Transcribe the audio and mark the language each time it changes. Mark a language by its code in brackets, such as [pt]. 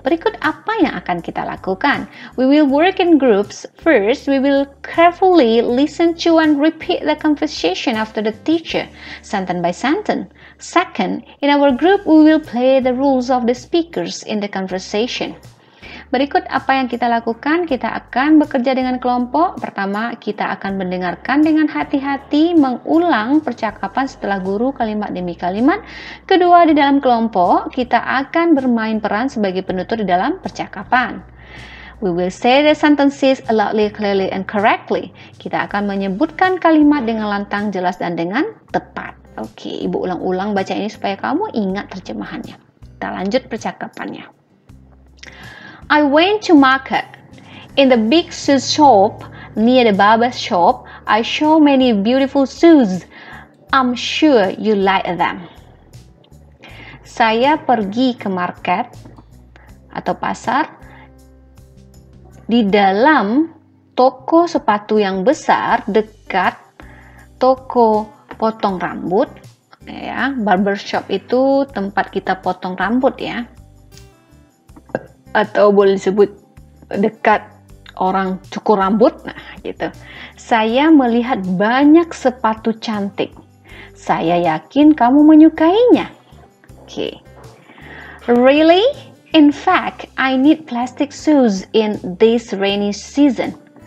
[id] Berikut apa yang akan kita lakukan. [en] We will work in groups. First, we will carefully listen to and repeat the conversation after the teacher, sentence by sentence. Second, in our group, we will play the rules of the speakers in the conversation. [id] Berikut apa yang kita lakukan, kita akan bekerja dengan kelompok. Pertama, kita akan mendengarkan dengan hati-hati, mengulang percakapan setelah guru kalimat demi kalimat. Kedua, di dalam kelompok, kita akan bermain peran sebagai penutur di dalam percakapan. [en] We will say the sentences loudly, clearly, and correctly. [id] Kita akan menyebutkan kalimat dengan lantang, jelas, dan dengan tepat. Oke, Ibu ulang-ulang baca ini supaya kamu ingat terjemahannya. Kita lanjut percakapannya. [en] I went to market. In the big shoe shop near the barber shop, I saw many beautiful shoes. I'm sure you like them. [id] Saya pergi ke market atau pasar. Di dalam toko sepatu yang besar dekat toko potong rambut, ya, barber shop itu tempat kita potong rambut ya. Atau boleh disebut dekat orang cukur rambut, nah gitu. Saya melihat banyak sepatu cantik. Saya yakin kamu menyukainya. [en] Oke. Really? In fact, I need plastic shoes in this rainy season.